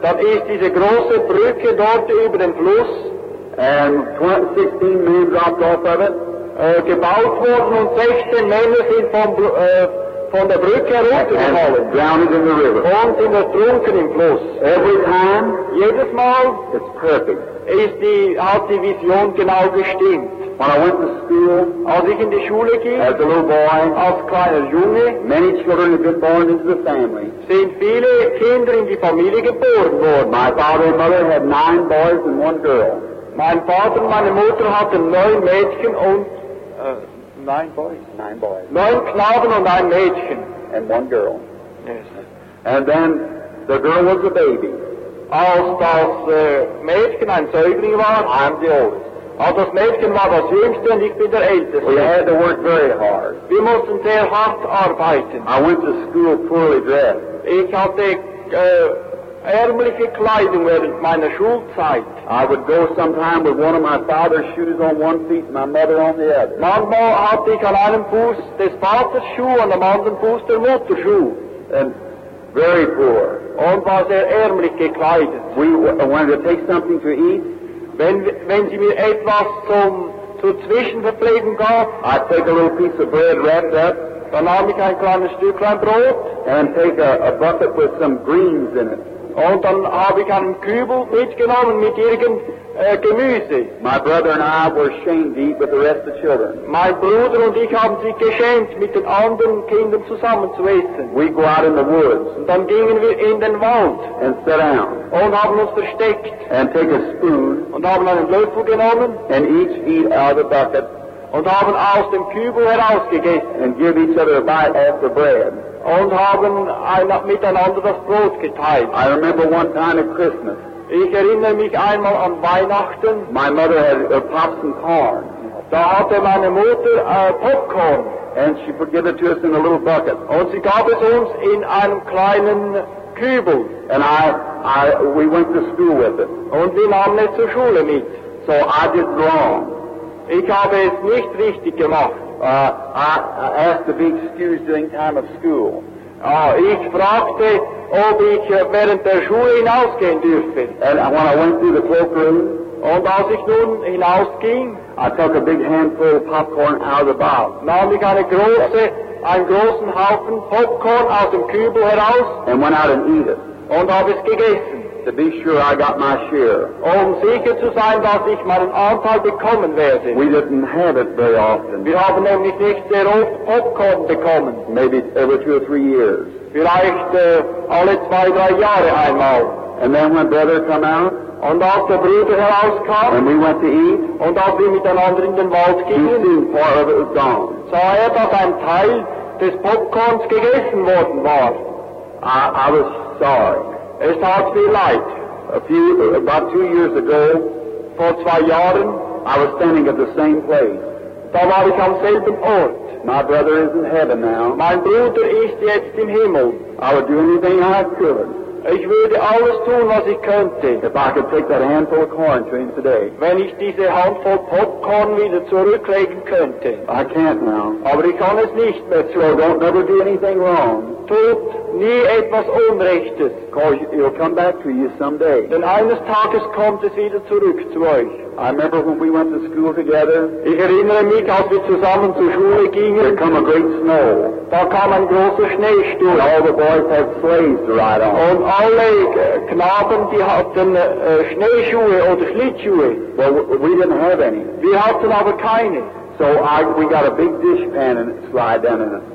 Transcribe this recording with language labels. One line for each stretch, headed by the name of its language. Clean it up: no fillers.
German: Dann ist diese große Brücke dort über den Fluss.
English: And 16 men dropped off of it.
German: Gebaut worden und 16 Männer sind vom von der Brücke heruntergefallen.
English: Drowned in the river.
German: Und sind ertrunken im Fluss.
English: Every time.
German: Jedes Mal.
English: It's perfect.
German: Ist die alte Vision genau gestimmt.
English: When I went to school.
German: Als ich in die Schule ging.
English: As a little boy.
German: Als kleiner Junge.
English: Many children have been born into the family.
German: Sind viele Kinder in die Familie geboren worden.
English: My father and mother had 9 boys and 1 girl.
German: Mein Vater und meine Mutter hatten 9 Mädchen und
English: 9 boys.
German: 9 Knaben und ein Mädchen.
English: And 1 girl. Yes. And then the girl was a baby.
German: Als das Mädchen ein Säugling war,
English: I'm the oldest.
German: Als das Mädchen war das Jüngste und ich bin der Älteste.
English: We had to work very hard.
German: Wir mussten sehr hart arbeiten.
English: I went to school poorly dressed.
German: Ich hatte ärmliche Kleidung während meiner Schulzeit.
English: I would go sometime with one of my father's shoes on one feet and my mother on the other.
German: Manchmal hatte ich an einem Fuß des Vaters Schuh und am anderen Fuß der Mutter Schuh.
English: And very poor.
German: Und war sehr ärmlich gekleidet.
English: We wanted to take something to eat.
German: Wenn sie mir etwas zur Zwischenverpflegung gab,
English: I'd take a little piece of bread wrapped up.
German: Dann nahm ich ein kleines Stücklein Brot.
English: And take a bucket with some greens in it.
German: Und dann habe ich einen Kübel mitgenommen mit irgendeinem Gemüse.
English: My brother and I were ashamed to eat with the rest of the children.
German: Mein Bruder und ich haben sich geschämt, mit den anderen Kindern zusammen zu essen.
English: We go out in the woods.
German: Und dann gingen wir in den Wald.
English: And sit down.
German: Und haben uns versteckt.
English: And take a spoon.
German: Und haben einen Löffel genommen.
English: And each eat out of the bucket.
German: Und haben aus dem Kübel herausgegessen.
English: And give each other a bite of the bread.
German: Und haben miteinander das Brot geteilt.
English: I remember one time at Christmas.
German: Ich erinnere mich einmal an Weihnachten.
English: My mother had popped some corn.
German: Da hatte meine Mutter Popcorn.
English: And she gave it to us in a little bucket.
German: Und sie gab es uns in einem kleinen Kübel.
English: And we went to school with it.
German: Und wir nahmen es zur Schule mit.
English: So I did wrong.
German: Ich habe es nicht richtig gemacht.
English: I asked to be excused during time of school.
German: Ich fragte, ob ich während der Schule hinausgehen dürfte.
English: And when I went through the cloakroom,
German: und als ich nun hinausging,
English: I took a big handful of popcorn out of the box.
German: Nahm ich einen großen Haufen Popcorn aus dem Kübel heraus,
English: and went out and eat it.
German: Und habe es gegessen.
English: To be sure I got my share.
German: Um sicher zu sein, dass ich meinen Anteil bekommen werde.
English: We didn't have it very often.
German: Wir haben nämlich nicht sehr oft Popcorn bekommen.
English: Maybe every 2 or 3 years.
German: Vielleicht alle 2, 3 Jahre einmal.
English: And then when brother come out.
German: Und als der Bruder herauskam.
English: And we went to eat.
German: Und als wir miteinander in den Wald gingen.
English: He knew part of it was gone.
German: Sah er, dass ein Teil des Popcorns gegessen worden war.
English: I was sorry. It's hard to be light. About 2 years ago,
German: Vor zwei Jahren,
English: I was standing at the same place.
German: Da war ich am selben Ort.
English: My brother is in heaven now.
German: Mein Bruder ist jetzt im Himmel.
English: I would do anything I could.
German: Ich würde alles tun, was ich könnte.
English: If I could take that handful of corn to him today.
German: Wenn ich diese Handvoll Popcorn wieder zurücklegen könnte.
English: I can't now.
German: Aber ich kann es nicht mehr zu.
English: So don't never do anything wrong.
German: Tut nie etwas Unrechtes.
English: Cause it'll come back to you someday.
German: Denn eines Tages kommt es wieder zurück zu euch.
English: I remember when we went to school together.
German: Ich erinnere mich, als wir zusammen zur Schule gingen.
English: There came a great snow.
German: Da kam ein großer Schneesturm.
English: All the boys had sleighs to ride on.
German: Und alle Knaben, die hatten Schneeschuhe oder Schlittschuhe.
English: Well, we didn't have any.
German: Wir hatten aber keine.
English: So we got a big dishpan and it slid down in it.